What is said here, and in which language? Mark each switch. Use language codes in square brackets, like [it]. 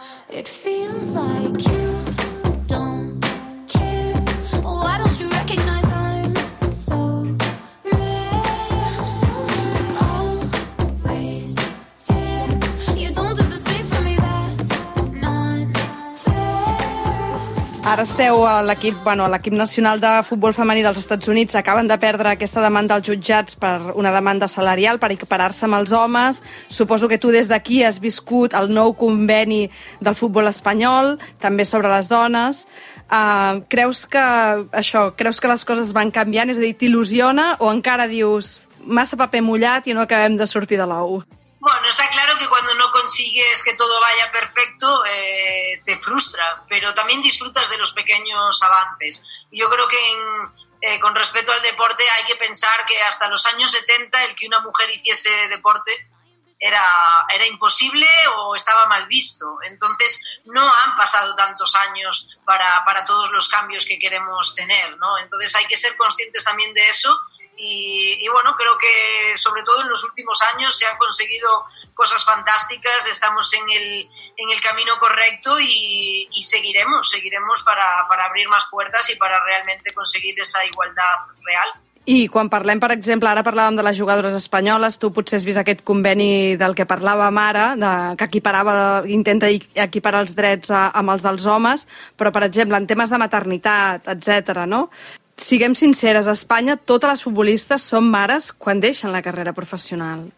[en] It feels like you don't care. Why don't you recognize I'm so rare? I'm always there. You don't do the same for me, that's not fair. [ca] Ara esteu a l'equip, bueno, a l'equip nacional de futbol femení dels Estats Units. Acaben de perdre aquesta demanda als jutjats per una demanda salarial per equiparar-se amb els homes. Suposo que tu des d'aquí has viscut el nou conveni del futbol espanyol, també sobre les dones. Creus que les coses van canviant? És a dir, t'il·lusiona o encara dius massa paper mullat i no acabem de sortir de l'ou? [es] Bueno, está claro que cuando no consigues que todo vaya perfecto, te frustra, pero también disfrutas de los pequeños avances. Yo creo que con respecto al deporte hay que pensar que hasta los años 70 el que una mujer hiciese deporte era imposible o estaba mal visto. Entonces no han pasado tantos años para todos los cambios que queremos tener, ¿no? Entonces hay que ser conscientes también de eso. Y bueno, creo que sobre todo en los últimos años se han conseguido cosas fantásticas, estamos en el camino correcto y seguiremos para abrir más puertas y para realmente conseguir esa igualdad real. [ca] I quan parlem, per exemple, ara parlàvem de les jugadores espanyoles, tu potser has vist aquest conveni del que parlàvem ara, que intenta equiparar els drets amb els dels homes, però, per exemple, en temes de maternitat, etcètera, no? Siguem sinceres, a Espanya totes les futbolistes són mares quan deixen la carrera professional.